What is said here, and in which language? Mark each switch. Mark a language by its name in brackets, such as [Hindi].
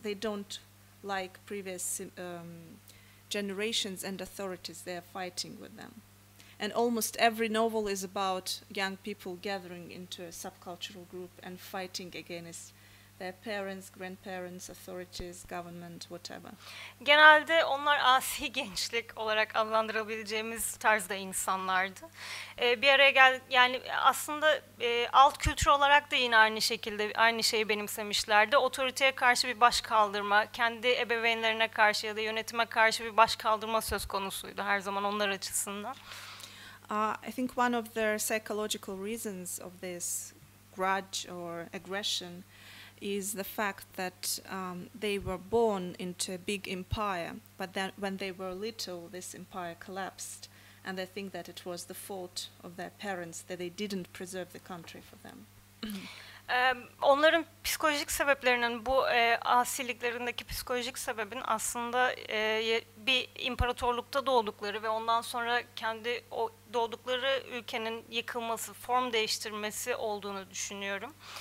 [English] They don't like previous generations and authorities. They are fighting with them. And almost every novel is about young people gathering into a subcultural group and fighting against their parents, grandparents, authorities, government, whatever. [Turkish] Genelde onlar asi gençlik olarak adlandırabileceğimiz tarzda insanlardı. Bir araya yani aslında alt kültür olarak da yine aynı şekilde aynı şeyi benimsemişlerdi. Otoriteye karşı bir baş kaldırma, kendi ebeveynlerine karşı ya da yönetime karşı bir baş kaldırma söz konusuydu her zaman onlar açısından. [English] I think one of the psychological reasons of this grudge or aggression is the fact that they were born into a big empire, but then when they were little, this empire collapsed, and they think that it was the fault of their parents that they didn't preserve the country for them. [Turkish] Onların psikolojik sebeplerinin, bu asiliklerindeki psikolojik sebebin aslında bir imparatorlukta doğdukları ve ondan sonra kendi o doğdukları ülkenin yıkılması, form değiştirmesi olduğunu düşünüyorum.